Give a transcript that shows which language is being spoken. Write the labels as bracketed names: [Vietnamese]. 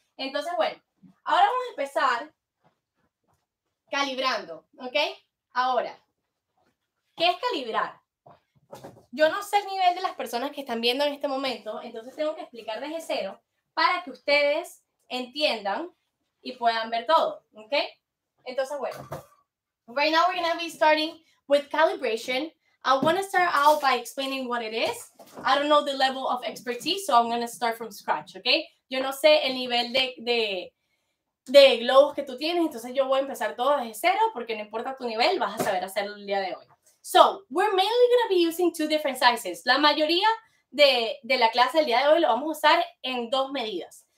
[Spanish] Entonces, bueno, ahora vamos a empezar calibrando, okay? Ahora, ¿qué es calibrar? Yo no sé el nivel de las personas que están viendo en este momento, entonces tengo que explicar desde cero para que ustedes entiendan y puedan ver todo, ¿ok? Entonces, bueno, [English] right now we're going to be starting with calibration. I want to start out by explaining what it is. I don't know the level of expertise, so I'm going to start from scratch, ¿ok? [Spanish] Yo no sé el nivel de globos que tú tienes, entonces yo voy a empezar todo desde cero, porque no importa tu nivel, vas a saber hacerlo el día de hoy. [English] So, we're mainly going to be using two different sizes. [Spanish] La mayoría de la clase del día de hoy lo vamos a usar en dos medidas.